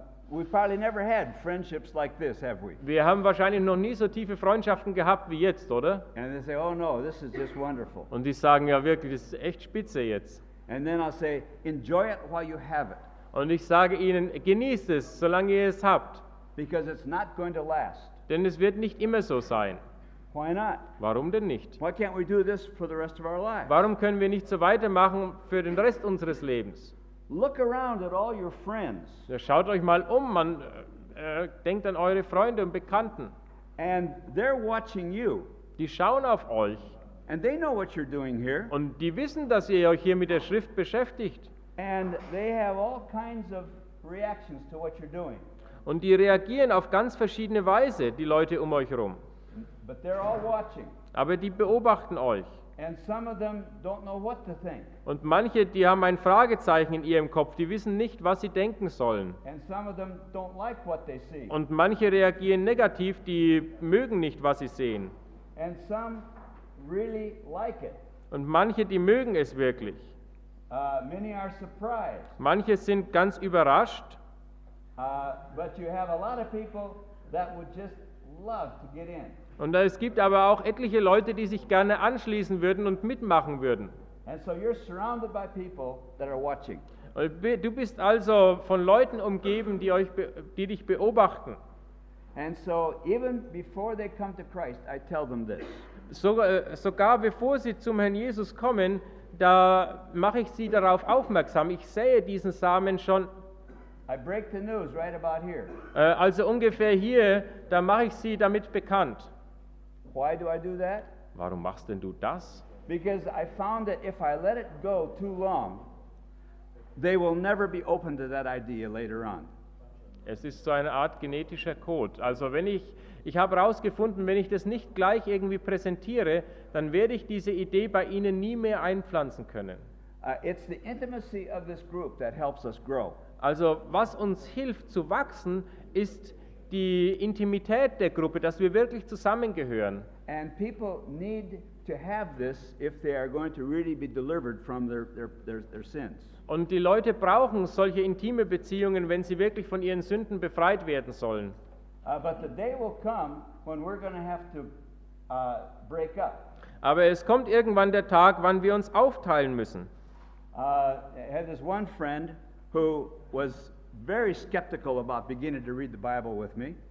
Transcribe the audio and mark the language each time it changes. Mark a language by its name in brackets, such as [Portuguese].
[English] We've probably never had friendships like this, have we? [German] Wir haben wahrscheinlich noch nie so tiefe Freundschaften gehabt wie jetzt, oder? [English] And they say, oh no, this is just wonderful. [German] Und die sagen, ja wirklich, das ist echt spitze jetzt. [English] And then I'll say, enjoy it while you have it. [German] Und ich sage ihnen, genießt es, solange ihr es habt. [English] Because it's not going to last. [German] Denn es wird nicht immer so sein. [English] Why not? [German] Warum denn nicht? [English] Why can't we do this for the rest of our lives? [German] Warum können wir nicht so weitermachen für den Rest unseres Lebens? [English] Look around at all your friends. [German] Ja, schaut euch mal um, man denkt an eure Freunde und Bekannten. [English] And they're watching you. [German] Die schauen auf euch. [English] And they know what you're doing here. [German] Und die wissen, dass ihr euch hier mit der Schrift beschäftigt. [English] And they have all kinds of reactions to what you're doing. [German] Und die reagieren auf ganz verschiedene Weise, die Leute um euch herum. [English] But they're all watching. [German] Aber die beobachten euch. [English] And some of them don't know what to think. [German] Und manche, die haben ein Fragezeichen in ihrem Kopf, die wissen nicht, was sie denken sollen. [English] And some of them don't like what they see. [German] Und manche reagieren negativ, die mögen nicht, was sie sehen. [English] And some really like it. [German] Und manche, die mögen es wirklich. [English] Many are surprised. [German] Manche sind ganz überrascht. [English] But you have a lot of people that would just love to get in. [German] Und es gibt aber auch etliche Leute, die sich gerne anschließen würden und mitmachen würden. [English] And so you're surrounded by people that are watching. [German] Du bist also von Leuten umgeben, die dich beobachten. [English] And so even before they come to Christ, I tell them this. [German] Sogar bevor sie zum Herrn Jesus kommen, da mache ich sie darauf aufmerksam. Ich sähe diesen Samen schon. [English] I break the news right about here. [German] Also ungefähr hier, da mache ich sie damit bekannt. [English] Why do I do that? [German] Warum machst denn du das? [English] Because I found that if I let it go too long, they will never be open to that idea later on. [German] Es ist so eine Art genetischer Code. Also wenn ich habe herausgefunden, wenn ich das nicht gleich irgendwie präsentiere, dann werde ich diese Idee bei ihnen nie mehr einpflanzen können. [English] It's the intimacy of this group that helps us grow. [German] Also was uns hilft zu wachsen, ist die Intimität der Gruppe, dass wir wirklich zusammengehören. [English] And people need to have this if they are going to really be delivered from their sins. [German] Und die Leute brauchen solche intime Beziehungen, wenn sie wirklich von ihren Sünden befreit werden sollen. [English] But the day will come when we're going to have to break up. [German] Aber es kommt irgendwann der Tag, wann wir uns aufteilen müssen. [English] I had this one friend who was very skeptical about beginning to read the Bible with me.